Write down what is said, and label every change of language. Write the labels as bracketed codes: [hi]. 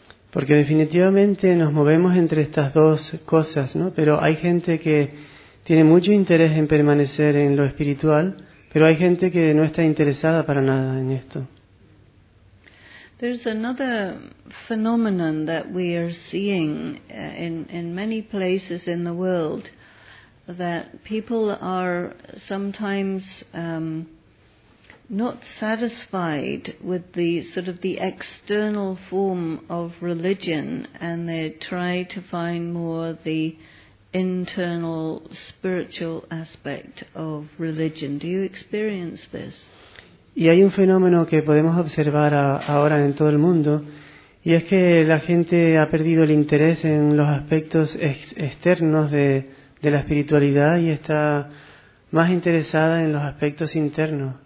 [es] Porque definitivamente nos movemos entre estas dos cosas, ¿no? Pero hay gente que tiene mucho interés en permanecer en lo espiritual, pero hay gente que no está interesada para nada en esto. [en] There's another phenomenon that we are seeing in many places in the world, that people are sometimes not satisfied with the sort of the external form of religion, and they try to find more the internal spiritual aspect of religion. Do you experience this? [es] Y hay un fenómeno que podemos observar ahora en todo el mundo, y es que la gente ha perdido el interés en los aspectos externos de la espiritualidad y está más interesada en los aspectos internos.